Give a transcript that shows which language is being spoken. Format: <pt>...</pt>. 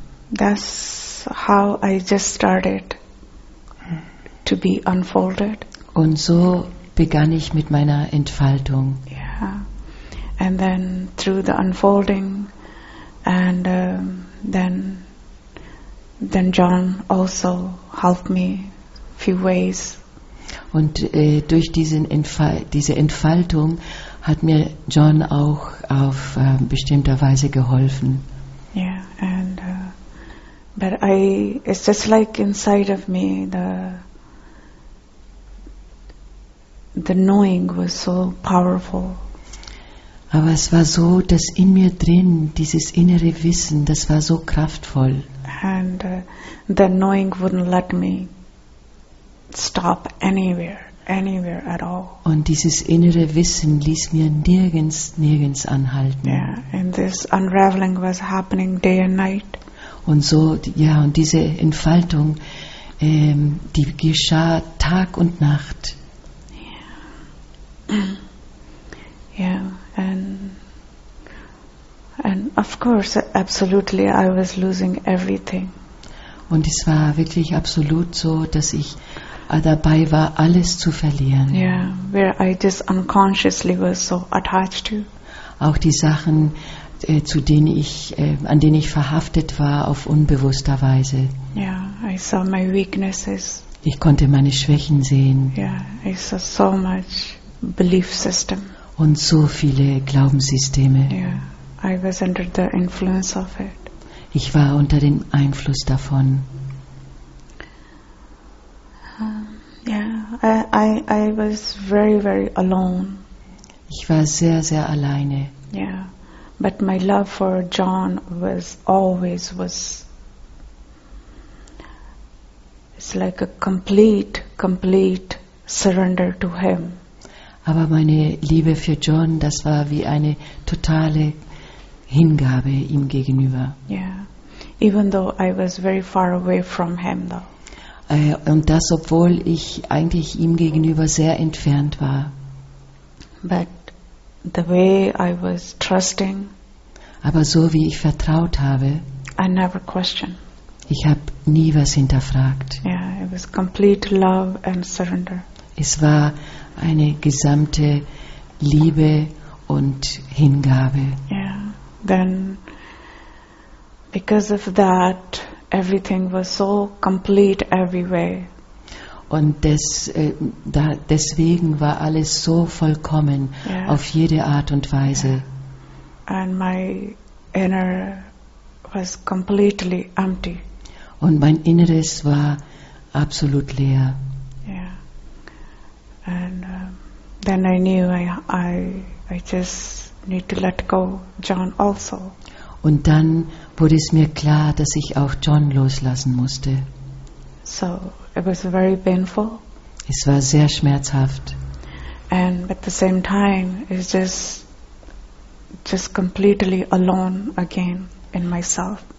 <en>That's how I just started to be unfolded.</en> <de>Und so begann ich mit meiner Entfaltung.</de> <en>And then through the unfolding, and then John also helped me a few ways.</en> <de>Und durch diese Entfaltung hat mir John auch auf bestimmter Weise geholfen.</de> <en>Yeah, and but I it's just like inside of me the the knowing was so powerful.</en> <de>Aber es war so, dass in mir drin dieses innere Wissen, das war so kraftvoll.</de> <en>And the knowing wouldn't let me stop anywhere at all.</en> <de>Und dieses innere Wissen ließ mir nirgends anhalten.</de> <en>Yeah, and this unraveling was happening day and night.</en> <de>Und so, ja, und diese Entfaltung, die geschah Tag und Nacht.</de> <en>Yeah, and of course, absolutely, I was losing everything.</en> <de>Und es war wirklich absolut so, dass ich dabei war, alles zu verlieren.</de> <en>Yeah, where I just unconsciously was so attached to.</en> <de>Auch die Sachen, zu denen ich, an denen ich verhaftet war, auf unbewusster Weise.</de> <en>Yeah, I saw my weaknesses.</en> <de>Ich konnte meine Schwächen sehen.</de> <en>Yeah, I saw so much belief system.</en> <de>Und so viele Glaubenssysteme.</de> <en>Yeah, I was under the influence of it.</en> <de>Ich war unter dem Einfluss davon.</de> <en>Yeah, I was very, very alone.</en> <de>Ich war sehr, sehr alleine.</de> <en>Yeah, but my love for John was always it's like a complete surrender to him.</en> <de>Aber meine Liebe für John, das war wie eine totale Hingabe ihm gegenüber.</de> <en>Yeah, even though I was very far away from him though.</en> <de>Und das, obwohl ich eigentlich ihm gegenüber sehr entfernt war.</de> <en>But the way I was trusting,</en> <de>aber so wie ich vertraut habe,</de> <en>I never questioned.</en> <de>Ich habe nie was hinterfragt.</de> <en>Yeah, it was complete love and surrender.</en> <de>Es war eine gesamte Liebe und Hingabe.</de> <en>Yeah. Then, because of that, everything was so complete everywhere.</en> <de>Und deswegen war alles so vollkommen, yeah, auf jede Art und Weise.</de> <en>Yeah. And my inner was completely empty.</en> <de>Und mein Inneres war absolut leer.</de> <en>Yeah. And then I knew I just need to let go John also.</en> <de>Und dann wurde es mir klar, dass ich auch John loslassen musste.</de> <en>So, it was very painful.</en> <de>Es war sehr schmerzhaft.</de> <en>And at the same time, it's just completely alone again in myself.</en>